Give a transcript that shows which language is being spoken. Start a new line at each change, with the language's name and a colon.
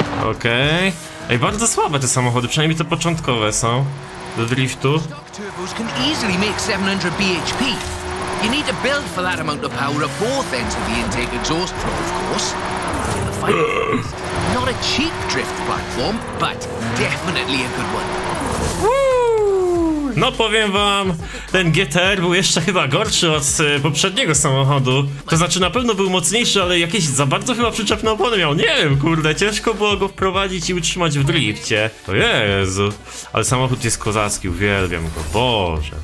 Polish: Okej. Ej, bardzo słabe te samochody, przynajmniej te początkowe są. do driftu.
English: Turbos can easily make 700 bhp. You need to build for that amount of power at both ends of the intake exhaust flow, of course. Not a cheap drift platform, but definitely a good one.
Polish: No powiem wam, ten GTR był jeszcze chyba gorszy od poprzedniego samochodu. To znaczy na pewno był mocniejszy, ale jakieś za bardzo chyba przyczepne opony miał. Nie wiem, kurde, ciężko było go wprowadzić i utrzymać w drifcie. O Jezu, ale samochód jest kozacki, uwielbiam go, Boże.